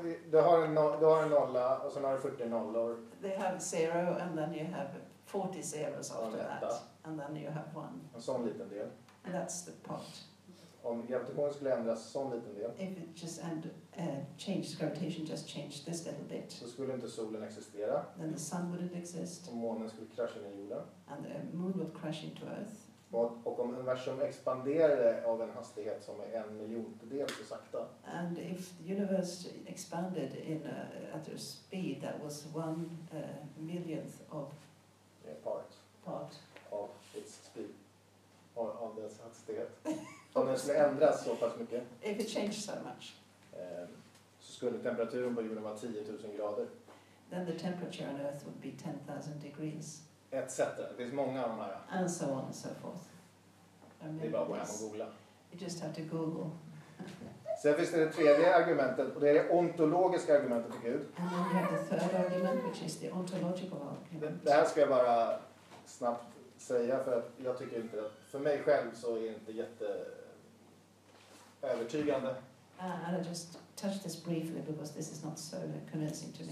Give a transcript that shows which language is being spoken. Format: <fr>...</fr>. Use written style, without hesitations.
<sv>Du har en nolla och sen har du 40 nollor.</sv> <en>They have zero and then you have 40 zeros after that. And then you have one.</en> <sv>En sån liten del.</sv> <en>And that's the part.</en> <sv>Om gravitationen skulle ändras sån liten del.</sv> <en>If it just changed gravitation, just changed this little bit.</en> <sv>Så skulle inte solen existera.</sv> <en>Then the sun wouldn't exist.</en> <sv>Och månen skulle krascha in i jorden.</sv> <en>And the moon would crash into earth.</en> <sv>Och om universum expanderade av en hastighet som är 1 miljontedel så sakta.</sv> <en>And if the universe expanded in at a speed that was 1 millionth of part of its speed,</en> <sv>av dess hastighet. Om den skulle ändras så pass mycket.</sv> <en>If it changed so much.</en> <sv>Så skulle temperaturen på jorden vara 10 000 grader.</sv> <en>Then the temperature on Earth would be 10 000 degrees.</en> <sv>Etc. Det finns många av de här.</sv> <en>And so on and so forth.</en> <sv>Det är bara att gå hem och googla.</sv> <en>You just have to google.</en> <sv>Sen finns det tredje argumentet och det är det ontologiska argumentet för Gud.</sv> <en>And then we have the third argument which is the ontological argument.</en> <sv>Det här ska jag bara snabbt säga för att jag tycker inte att för mig själv så är det inte jätte övertygande.</sv> <en>And I just touched this briefly because this is not so convincing to me.</en>